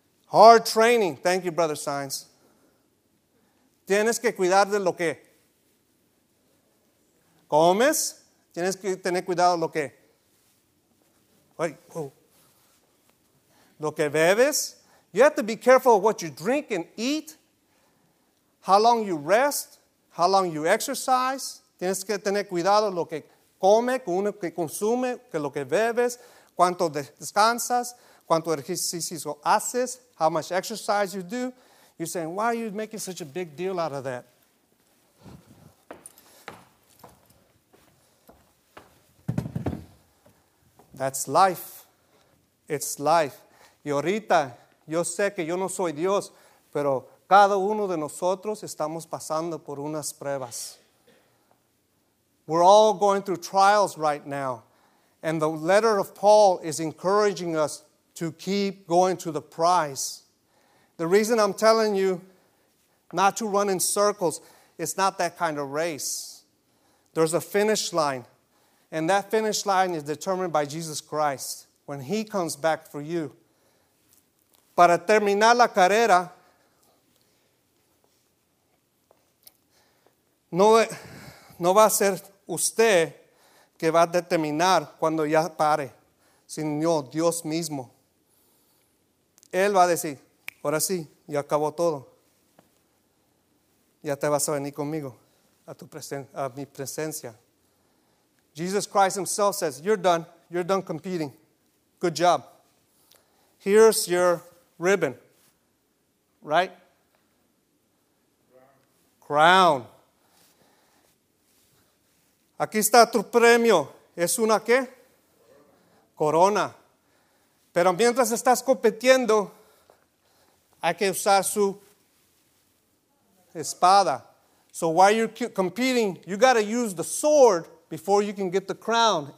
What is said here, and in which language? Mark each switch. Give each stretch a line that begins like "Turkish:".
English: Hard training. Thank you, Brother Sainz.
Spanish: Tienes que cuidar de lo que comes, tienes que tener cuidado lo que, lo que bebes.
English: You have to be careful of what you drink and eat, how long you rest, how long you exercise.
Spanish: Tienes que tener cuidado lo que come, uno que consume, que lo que bebes, cuánto descansas, cuánto ejercicio haces,
English: how much exercise you do. You're saying, why are you making such a big deal out of that? That's life. It's life.
Spanish: Y ahorita, yo sé que yo no soy Dios, pero cada uno de nosotros estamos pasando por unas pruebas.
English: We're all going through trials right now. And the letter of Paul is encouraging us to keep going to the prize. The reason I'm telling you not to run in circles, it's not that kind of race. There's a finish line. And that finish line is determined by Jesus Christ when he comes back for you.
Spanish: Para terminar la carrera, no va a ser usted que va a determinar cuando ya pare, sino Dios mismo. Él va a decir, ahora sí, ya acabó todo. Ya te vas a venir conmigo a mi presencia.
English: Jesus Christ himself says, you're done. You're done competing. Good job. here's your ribbon, right? Crown.
Spanish: Aquí está tu premio. ¿Es una qué? Corona. Pero mientras estás compitiendo, hay que usar su espada.
English: So while you're competing, you got to use the sword before you can get the crown.